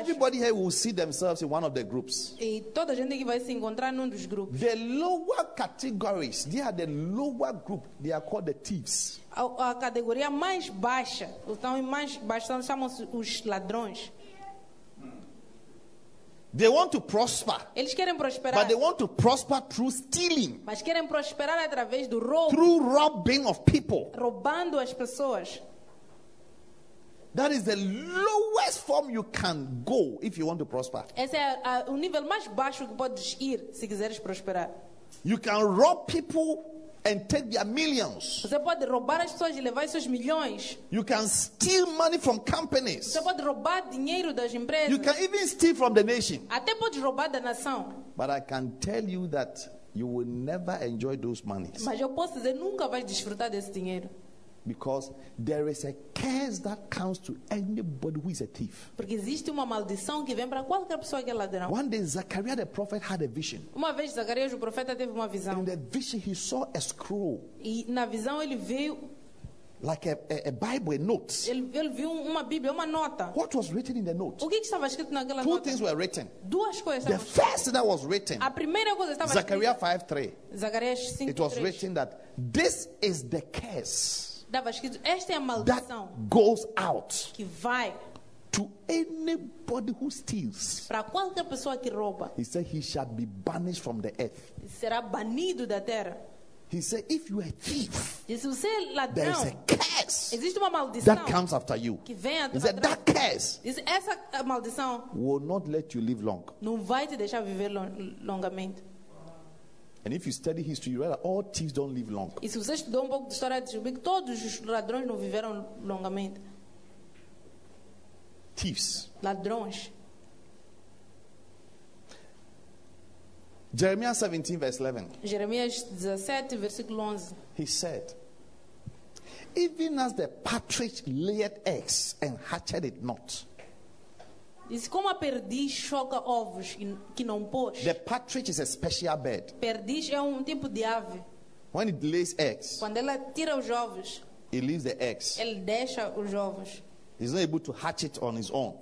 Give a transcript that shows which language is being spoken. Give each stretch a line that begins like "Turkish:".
English: Everybody here will see themselves in one of the groups.
Portuguese: E toda a gente aqui vai se encontrar num dos grupos.
English: The lower categories, they are the lower group. They are called the thieves.
Portuguese: A categoria mais baixa, então mais baixa, chamam-se os ladrões.
English: They want to prosper.
Portuguese: Eles querem prosperar.
English: But they want to prosper through stealing.
Portuguese: Mas querem prosperar através do roubo.
English: Through robbing of people.
Portuguese: Roubando as pessoas.
English: That is the lowest form you can go if you want to prosper.
Portuguese: Esse é o nível mais baixo que podes ir se quiseres prosperar.
English: You can rob people and take their millions.
Portuguese: Você pode roubar as pessoas e levar seus milhões.
English: You can steal money from companies.
Portuguese: Você pode roubar dinheiro das empresas.
English: You can even steal from the nation.
Portuguese: Até pode roubar da nação.
English: But I can tell you that you will never enjoy those monies.
Portuguese: Mas eu posso dizer nunca vais desfrutar desse dinheiro.
English: Because there is a curse that comes to anybody who is a thief.
Portuguese: Porque existe uma maldição que vem para qualquer pessoa que é ladrão.
English: One day Zachariah the prophet had a vision.
Portuguese: Uma vez Zacarias o profeta teve uma visão.
English: In the vision he saw a scroll.
Portuguese: E na visão ele viu
English: like a Bible, a note.
Portuguese: Ele viu uma Bíblia, uma nota.
English: What was written in the note?
Portuguese: O que estava escrito naquela
English: two
Portuguese: nota?
English: Things were written.
Portuguese: Duas coisas.
English: The first that was written.
Portuguese: A primeira coisa estava
English: Zachariah 5:3.
Portuguese: Zacarias 5:3.
English: It was written that this is the curse.
Portuguese: Estava escrito, esta é a maldição
English: that goes out
Portuguese: que vai
English: to anybody who steals.
Portuguese: Para qualquer pessoa que rouba.
English: He said he shall be banished from the earth.
Portuguese: Será banido da terra.
English: He said if you are a thief.
Portuguese: Se você é ladrão.
English: There is a curse.
Portuguese: Existe uma maldição.
English: That comes after you.
Portuguese: Que vem atrás.
English: He said that curse.
Portuguese: Diz, essa maldição.
English: Will not let you live long.
Portuguese: Não vai te deixar viver longamente.
English: And if you study history, you realize all thieves don't live long.
Portuguese: E se você estudou um pouco de história, descobri que todos os ladrões não viveram longamente.
English: Thieves.
Portuguese: Ladrões.
English: Jeremiah 17, verse 11.
Portuguese: Jeremias 17, versículo 11.
English: He said, even as the partridge layed eggs and hatched it not.
Portuguese: Disse como a perdiz choca ovos que não pôs.
English: The partridge is a special bird.
Portuguese: Perdiz é um tipo de ave.
English: When it lays eggs.
Portuguese: Quando ela tira os ovos.
English: It leaves the eggs.
Portuguese: Ele deixa os ovos.
English: He's not able to hatch it on his own.